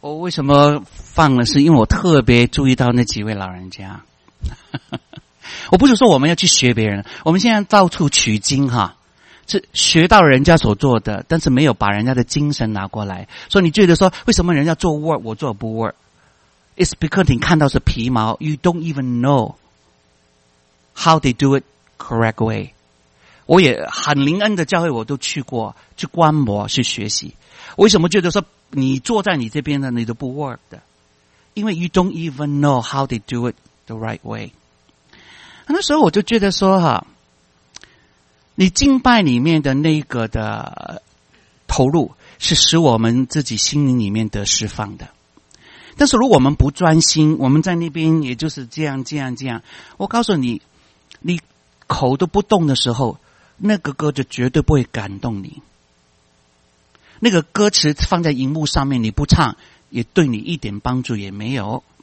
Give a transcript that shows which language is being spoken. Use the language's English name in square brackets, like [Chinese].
[Chinese] 什么放了？是因为我特别注意到那几位老人家。我不是说我们要去学别人，我们现在到处取经哈，是学到人家所做的，但是没有把人家的精神拿过来。所以你觉得说，为什么人家做 work 我做不 work？ [English] It's because [Chinese] 你看到是皮毛 ， [English] you don't even know how they do it correct way。 [Chinese] 我也很灵恩的教会，我都去过去观摩去学习。为什么觉得说？你坐在你这边的你都不 [English] work [Chinese] 的，因为 [English] you don't even know how they do it the right way。 [Chinese] 那时候我就觉得说哈，你敬拜里面的那个的投入是使我们自己心灵里面得释放的，但是如果我们不专心，我们在那边也就是这样这样这样，我告诉你，你口都不动的时候，那个歌就绝对不会感动你，那个歌词放在荧幕上面你不唱也对你一点帮助也没有。